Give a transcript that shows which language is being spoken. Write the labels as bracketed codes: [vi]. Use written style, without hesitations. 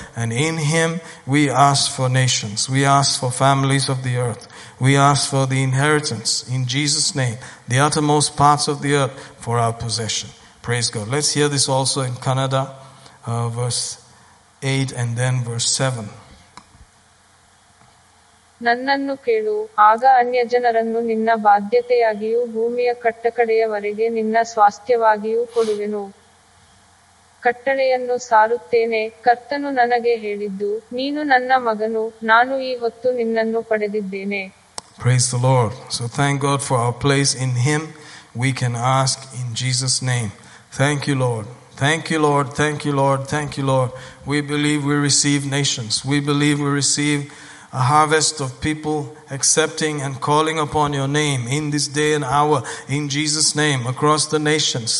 [en] And in him we ask for nations. We ask for families of the earth. We ask for the inheritance in Jesus' name, the uttermost parts of the earth for our possession. Praise God. Let's hear this also in Kannada, verse 8 and then verse 7. [kn] ನನ್ನನ್ನು ಕೇಳು ಆಗ ಅನ್ಯ ಜನರನ್ನು ನಿನ್ನ ಬಾಧ್ಯತೆಯಾಗಿಯೂ ಭೂಮಿಯ ಕಟ್ಟಕಡೆಯವರೆಗೆ ನಿನ್ನ ಸ್ವಾಸ್ಥ್ಯವಾಗಿಯೂ ಕೊಡುವೆನು ಕಟ್ಟಳೆಯನ್ನು ಸಾರುತ್ತೇನೆ ಕರ್ತನು ನನಗೆ ಹೇಳಿದ್ದು ನೀನು ನನ್ನ ಮಗನು ನಾನು ಈ ಹೊತ್ತು ನಿನ್ನನ್ನು ಪಡೆದಿದ್ದೇನೆ [en] Praise the Lord. So thank God for our place in him. We can ask in Jesus' name. Thank you, Lord. Thank you, Lord. Thank you, Lord. Thank you, Lord. We believe we receive nations. We believe we receive a harvest of people accepting and calling upon your name in this day and hour, in Jesus' name, across the nations.